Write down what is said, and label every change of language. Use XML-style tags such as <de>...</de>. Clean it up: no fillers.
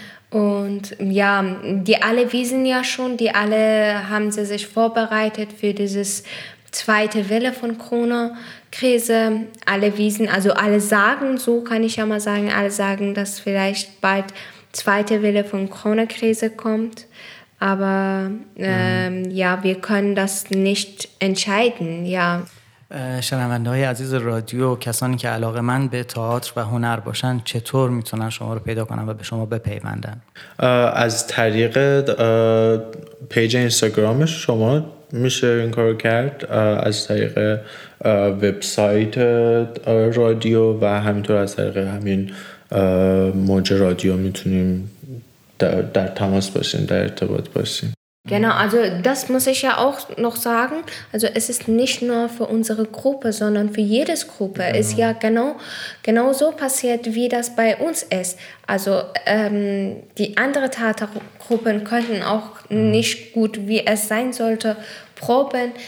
<de>Und ja, die alle wissen ja schon, die alle haben sie sich vorbereitet für dieses 2. Welle von Corona-Krise. Alle wissen, also alle sagen, so kann ich ja mal sagen, alle sagen, dass vielleicht bald 2. Welle von Corona-Krise kommt. Aber ja, wir können das nicht entscheiden, ja.</de> <fa>شنونده های عزیز رادیو، کسانی که علاقه من به تئاتر و هنر باشن چطور میتونن شما رو پیدا کنن و به شما بپیوندن؟ از طریق پیج اینستاگرام شما میشه این کار کرد، از طریق وبسایت رادیو و همینطور از طریق همین موج رادیو میتونیم در تماس باشیم، در ارتباط باشیم.</fa> <de>Genau, also das muss ich ja auch noch sagen. Also es ist nicht nur für unsere Gruppe, sondern für jede Gruppe. Genau. Ist ja genau so passiert, wie das bei uns ist. Also die anderen Theatergruppen könnten auch nicht gut, wie es sein sollte, proben.</de>